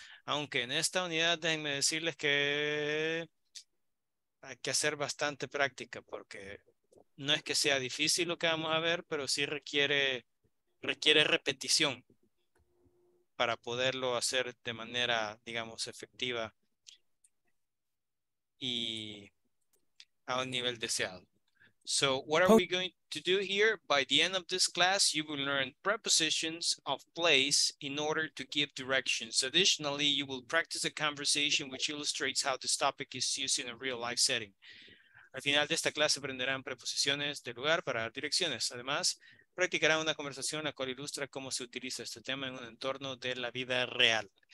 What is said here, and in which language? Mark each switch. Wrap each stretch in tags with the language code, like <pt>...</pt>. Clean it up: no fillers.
<es>Aunque en esta unidad déjenme decirles que hay que hacer bastante práctica porque no es que sea difícil lo que vamos a ver, pero sí requiere repetición para poderlo hacer de manera, digamos, efectiva y a un nivel deseado.</es> <en>So what are we going to do here? By the end of this class, you will learn prepositions of place in order to give directions. Additionally, you will practice a conversation which illustrates how this topic is used in a real life setting.</en> <es>Al final de esta clase aprenderán preposiciones de lugar para dar direcciones. Además, practicarán una conversación la cual ilustra cómo se utiliza este tema en un entorno de la vida real.</es>